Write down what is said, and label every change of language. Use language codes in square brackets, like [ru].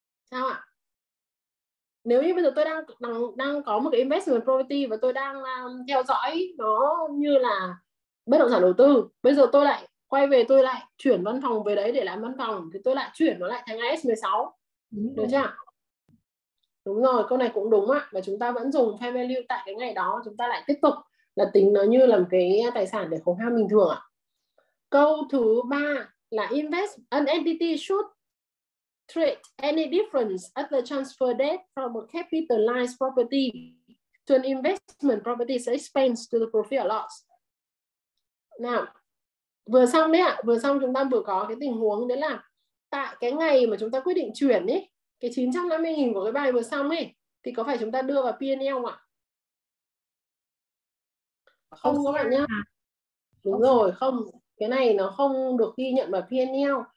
[vi] Sao ạ? Nếu như bây giờ tôi đang có một cái investment property và tôi đang theo dõi nó như là bất động sản đầu tư, bây giờ tôi lại quay về, tôi lại chuyển văn phòng về đấy để làm văn phòng thì tôi lại chuyển nó lại thành IAS 16. Đúng chưa? Đúng rồi, câu này cũng đúng ạ. Và chúng ta vẫn dùng fair value tại cái ngày đó, chúng ta lại tiếp tục là tính nó như là một cái tài sản để khấu hao bình thường ạ. Câu thứ 3 là [en] invest an entity should treat any difference at the transfer date from a capitalized property to an investment property as expense to the profit or loss. [vi] Nào, vừa xong đấy ạ, vừa xong chúng ta vừa có cái tình huống đấy là tại cái ngày mà chúng ta quyết định chuyển ấy, cái 950.000 của cái bài vừa xong ấy, thì có phải chúng ta đưa vào P&L ạ? Không các bạn nhá. Đúng rồi, không. Cái này nó không được ghi nhận vào P&L.